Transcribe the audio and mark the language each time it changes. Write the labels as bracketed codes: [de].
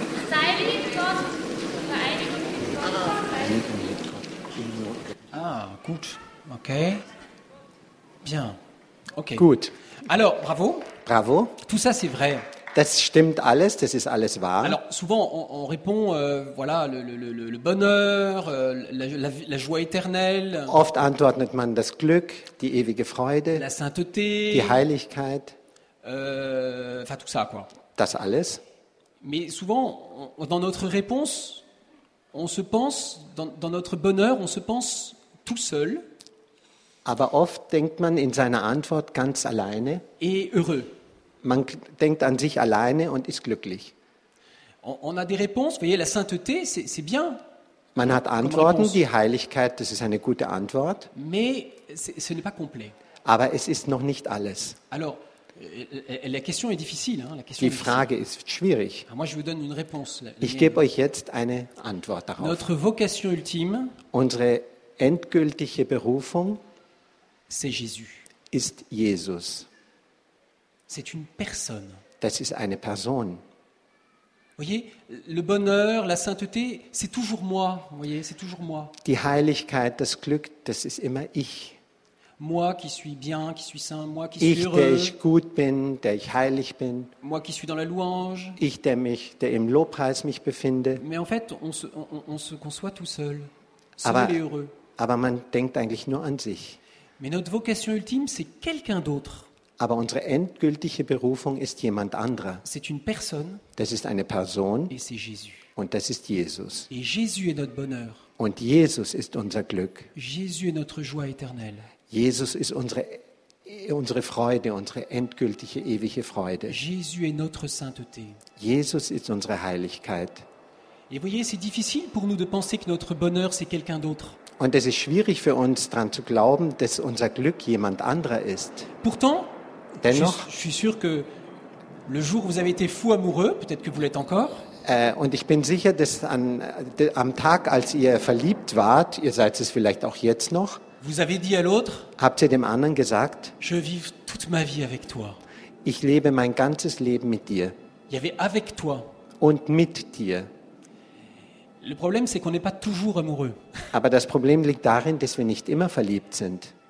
[de] Sei mit Gott. Vereinigung mit Gott. Ah, gut. Okay. Bien. Okay. Gut. [fr] Alors, bravo. [de] Bravo. [fr] Tout ça, c'est vrai. [de] Das stimmt alles, das ist alles wahr. [fr] Alors, souvent, on répond, voilà, le bonheur, la joie éternelle. [de] Oft antwortet man das Glück, die ewige Freude. [fr] La sainteté. [de] Die Heiligkeit. [fr] Enfin, tout ça, quoi. [de] Das alles. [fr] Mais souvent, dans notre réponse, on se pense, dans notre bonheur, on se pense tout seul. [de] Aber oft denkt man in seiner Antwort ganz alleine. [fr] Et heureux. [de] Man denkt an sich alleine und ist glücklich. [fr] On a des réponses, vous voyez, la sainteté, c'est bien. [de] Man hat Antworten, die Heiligkeit, das ist eine gute Antwort. [fr] Mais ce n'est pas complet. [de] Aber es ist noch nicht alles. [fr] Alors, la question est difficile, hein, la question. [de] Die Frage ist schwierig. [fr] Moi, je vous donne une réponse. [de] Ich gebe euch jetzt eine Antwort darauf. [fr] Notre vocation ultime, [de] unsere endgültige Berufung, [fr] c'est Jésus. [de] Ist Jesus. [fr] C'est une personne. [de] Das ist eine Person. Vous [fr] voyez, le bonheur, la sainteté, c'est toujours moi. Vous voyez, c'est toujours moi. [de] Die Heiligkeit, das Glück, das ist immer ich. [fr] Moi qui suis bien, qui suis saint, moi qui [de] ich, [fr] suis heureux. [de] Ich, der ich gut bin, der ich heilig bin. [fr] Moi qui suis dans la louange. [de] Ich, der mich, der im Lobpreis mich befinde. [fr] Mais en fait, on se conçoit tout seul. Seul et heureux. [de] Aber man denkt eigentlich nur an sich. [fr] Mais notre vocation ultime, c'est quelqu'un d'autre. [de] Aber unsere endgültige Berufung ist jemand anderer. [fr] C'est une personne. [de] Das ist eine Person. [fr] Et c'est Jésus. [de] Und das ist Jesus. [fr] Et Jésus est notre bonheur. [de] Und Jesus ist unser Glück. [fr] Jésus est notre joie éternelle. [de] Jesus ist unsere Freude, unsere endgültige ewige Freude. [fr] Jésus est notre sainteté. [de] Jesus ist unsere Heiligkeit. [fr] Et vous voyez, c'est difficile pour nous de penser que notre bonheur c'est quelqu'un d'autre. [de] Und es ist schwierig für uns dran zu glauben, dass unser Glück jemand anderer ist. [fr] Pourtant, [de] dennoch, [fr] je suis sûr que le jour où vous avez été fou amoureux, peut-être que vous l'êtes encore. [de] Und ich bin sicher, dass am Tag, als ihr verliebt wart, ihr seid es vielleicht auch jetzt noch. [fr] Vous avez dit à l'autre, [de] habt ihr dem anderen gesagt? [fr] Je vive toute ma vie avec toi. [de] Ich lebe mein ganzes Leben mit dir. [fr] Il y avait avec toi. [de] Und mit dir. [fr] Le problème, c'est qu'on n'est pas toujours amoureux. [de] Aber das Problem liegt darin, dass wir nicht immer verliebt sind.